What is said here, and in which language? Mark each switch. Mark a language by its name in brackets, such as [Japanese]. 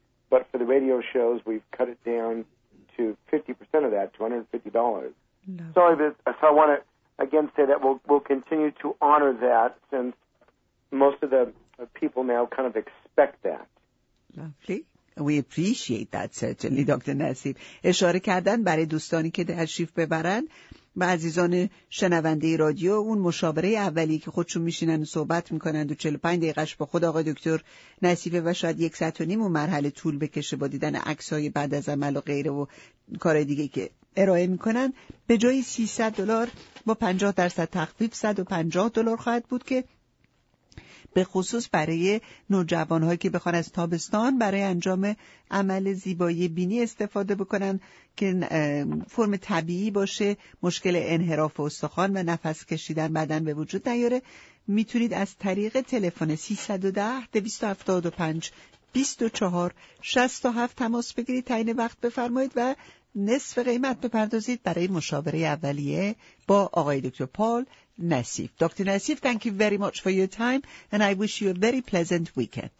[English] But for the radio shows, we've cut it down to 50% of that, to $150. No. Sorry, but, so I want to, again, say that we'll continue to honor that, since most of the people now kind of expect that. Lovely. We appreciate that, certainly, Dr. Nassib. [Persian] اشاره کردن برای دوستانی که تشریف ببرن و عزیزان شنونده رادیو، اون مشاوره اولی که خودشون میشینن و صحبت میکنن و 45 دقیقش با خود آقای دکتر نصیف و شاید یک ساعت و نیم و مرحله طول بکشه با دیدن عکس‌های بعد از عمل و غیره و کارهای دیگه که ارائه میکنن، به جای $300 با 50% تخفیف $150 خواهد بود که به خصوص برای نوجوانهایی که بخوان از تابستان برای انجام عمل زیبایی بینی استفاده بکنن که فرم طبیعی باشه، مشکل انحراف استخوان و نفس کشیدن بدن به وجود نیاره، میتونید از طریق تلفن 310-275-24-67 تماس بگیرید، تعیین وقت بفرمایید و نصف قیمت بپردازید برای مشاوره اولیه با آقای دکتر پال نصیف. [English] Doctor Nasif, thank you very much for your time and I wish you a very pleasant weekend.